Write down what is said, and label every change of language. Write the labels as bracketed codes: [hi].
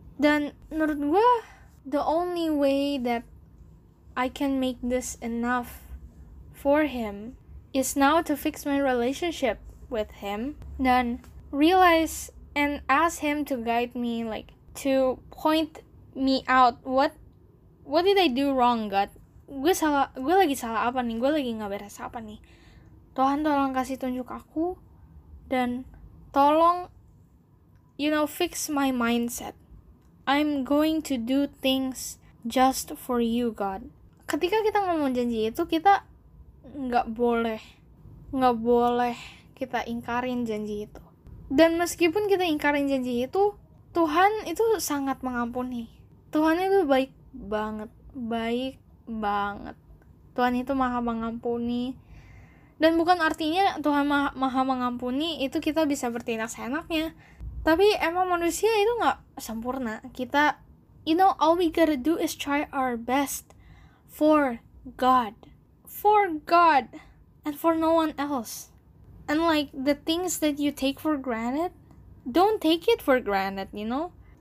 [id] Dan menurut gue, [en] the only way that I can make this enough for him is now to fix my relationship with him. Then realize and ask him to guide me, like, to point me out what did I do wrong, God? [id] Gue lagi salah apa nih? Gue lagi gak beres apa nih? Tuhan, tolong kasih tunjuk aku. Dan tolong, [en] you know, fix my mindset. I'm going to do things just for you, God. [id] Ketika kita ngomong janji itu, kita nggak boleh kita ingkarin janji itu. Dan meskipun kita ingkarin janji itu, Tuhan itu sangat mengampuni. Tuhan itu baik banget. Baik banget. Tuhan itu maha mengampuni. Dan bukan artinya Tuhan maha mengampuni itu kita bisa bertindak seenaknya. Tapi emang manusia itu gak sempurna. [en] Kita, you know, all we gotta do is try our best for God. For God. And for no one else. And like, the things that you take for granted, don't take it for granted, you know?